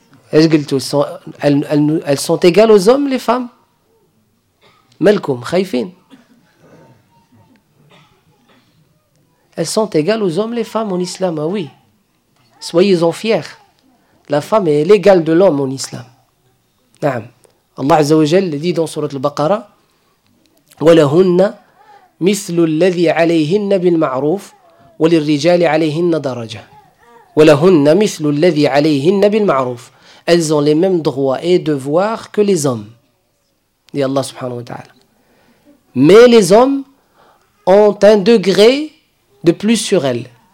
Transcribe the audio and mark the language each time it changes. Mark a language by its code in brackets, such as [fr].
[fr] Elles sont égales aux hommes, les femmes? [ar] Malkum, khayfin. [fr] Elles sont égales aux hommes, les femmes en islam, ah oui. Soyez-en fiers. La femme est l'égale de l'homme en islam. [ar] Naam. Allah Azza wa Jal dit dans Surat al-Baqara, وَلَهُنَّ مِثْلُ الَّذِي عَلَيْهِنَّ بِالْمَعْرُوفِ وَلِلْرِجَالِ عَلَيْهِنَّ دَرَجَةً وَلَهُنَّ مِثْلُ الَّذِي عَلَيْهِنَّ بِالْمَعْرُوفِ. [fr] Elles ont les mêmes droits et devoirs que les hommes, dit Allah subhanahu wa ta'ala. Mais les hommes ont un degré de plus sur elles.